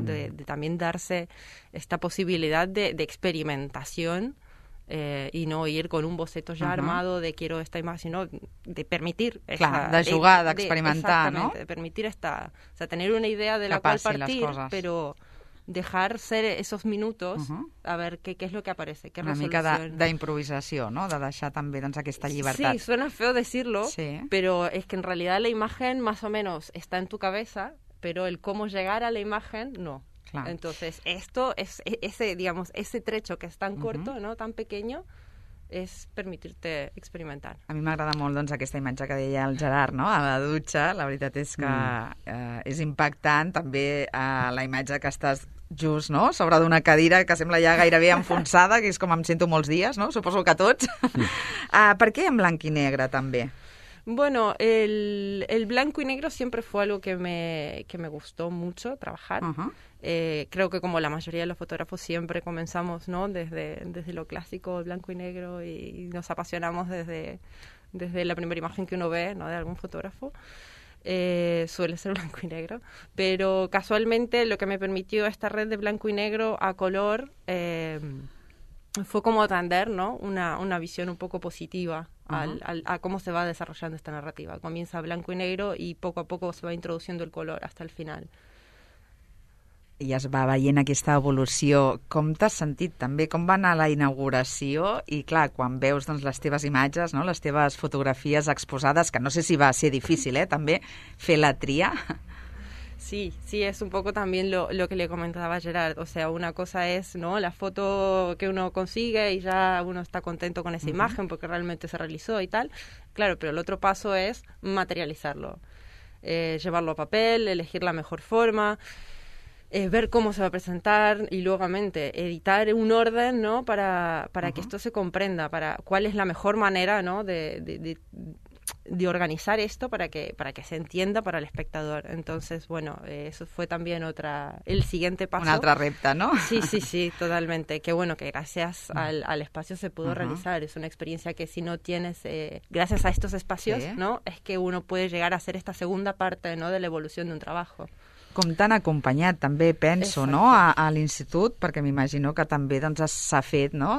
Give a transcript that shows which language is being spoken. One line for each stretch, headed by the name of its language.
Spanish: De también darse esta posibilidad de experimentación y no ir con un boceto ya armado de quiero esta imagen, sino de permitir... Claro, de jugar, de experimentar, ¿no? De permitir esta... O sea, tener una idea de que la cual partir, pero dejar ser esos minutos a ver qué es lo que aparece, qué una resolución...
Catalan: Una mica d'improvisació, ¿no? De deixar també, doncs, aquesta llibertat.
Spanish: Sí, suena feo decirlo, sí, pero es que en realidad la imagen más o menos está en tu cabeza, pero el cómo llegar a la imagen, no. Claro. Entonces, esto es ese, digamos, ese trecho que es tan corto, ¿no?, tan pequeño, es permitirte experimentar.
Catalan: A mi m'agrada molt, doncs, aquesta imatge que deia el Gerard, no?, a la dutxa. La veritat és que és impactant també la imatge que estàs Just, no? Sobre d'una cadira que sembla ja gairebé enfonsada, que és com em sento molts dies, no? Suposo que tots. Per què en blanc i negre, també?
Spanish: Bueno, el blanco y negro siempre fue algo que me gustó mucho trabajar. Uh-huh. Creo que como la mayoría de los fotógrafos siempre comenzamos, ¿no? Desde lo clásico, el blanco y negro, y nos apasionamos desde la primera imagen que uno ve, ¿no? De algún fotógrafo. Suele ser blanco y negro, pero casualmente lo que me permitió esta red de blanco y negro a color fue como atender, ¿no? Una visión un poco positiva a cómo se va desarrollando esta narrativa. Comienza blanco y negro y poco a poco se va introduciendo el color hasta el final.
Catalan: I es va veient aquesta evolució. Com t'has sentit també? Com va anar la inauguració? I clar, quan veus doncs, les teves imatges, no? Les teves fotografies exposades, que no sé si va ser difícil també fer la tria.
Spanish: Sí, sí, es un poco también lo que le comentaba a Gerard. O sea, una cosa es, ¿no? La foto que uno consigue y ya uno está contento con esa uh-huh. imagen porque realmente se realizó y tal. Claro, pero el otro paso es materializarlo. Llevarlo a papel, elegir la mejor forma, ver cómo se va a presentar y luego editar un orden, ¿no? Para uh-huh. que esto se comprenda, para cuál es la mejor manera, ¿no? De organizar esto para que se entienda para el espectador. Entonces, bueno, eso fue también el siguiente paso. Una otra repta, ¿no? Sí, sí, sí, totalmente. Qué bueno que gracias al espacio se pudo uh-huh. realizar. Es una experiencia que si no tienes, gracias a estos espacios, sí. ¿no? Es que uno puede llegar a hacer esta segunda parte, ¿no? De la evolución de un trabajo.
Catalan: Com t'han acompanyat, també, penso, no? a l'institut, perquè m'imagino que també doncs, s'ha fet no?